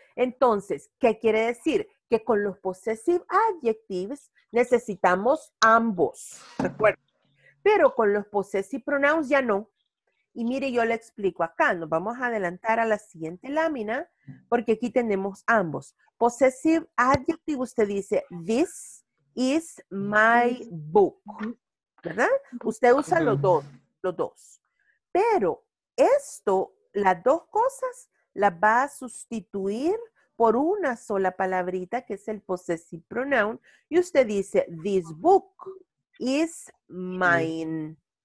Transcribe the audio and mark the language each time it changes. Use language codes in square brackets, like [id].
[es] Entonces, ¿qué quiere decir? Que con los possessive adjectives necesitamos ambos, ¿recuerda? Pero con los possessive pronouns ya no. Y mire, yo le explico acá. Nos vamos a adelantar a la siguiente lámina porque aquí tenemos ambos. Possessive adjective, usted dice, [en] this is my book. [es] ¿Verdad? Usted usa los dos. Pero esto, las dos cosas, las va a sustituir por una sola palabrita que es el possessive pronoun. Y usted dice, [en] this book is mine.